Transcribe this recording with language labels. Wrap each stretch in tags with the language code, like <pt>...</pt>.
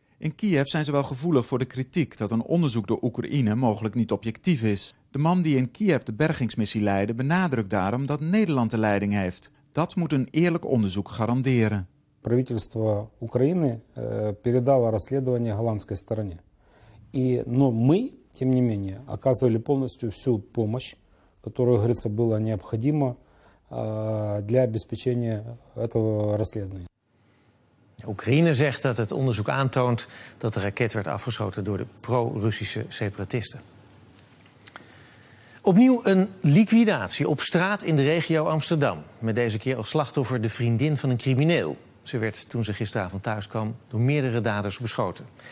<nl>In Kiev zijn ze wel gevoelig voor de kritiek dat een onderzoek door Oekraïne mogelijk niet objectief is. De man die in Kiev de bergingsmissie leidde benadrukt daarom dat Nederland de leiding heeft. Dat moet een eerlijk onderzoek garanderen.</nl> <ru>Правительство Украины передало расследование голландской стороне. И но мы тем не менее оказывали полностью всю помощь, которую, говорится, было необходимо для обеспечения этого расследования.</ru> <nl>Oekraïne zegt dat het onderzoek aantoont dat de raket werd afgeschoten door de pro-Russische separatisten. Opnieuw een liquidatie op straat in de regio Amsterdam. Met deze keer als slachtoffer de vriendin van een crimineel. Ze werd, toen ze gisteravond thuis kwam, door meerdere daders beschoten.</nl>